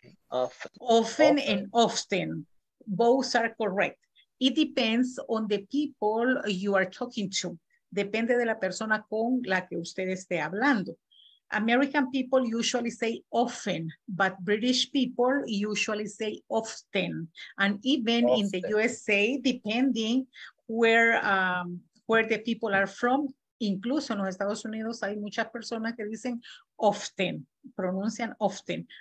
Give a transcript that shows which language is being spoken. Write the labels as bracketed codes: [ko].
[en] Often, both are correct. It depends on the people you are talking to. [es] Depende de la persona con la que usted esté hablando. [en] American people usually say often, but British people usually say often. And even often. In the USA, depending where the people are from, [es] incluso en los Estados Unidos hay muchas personas que dicen often, pronuncian often.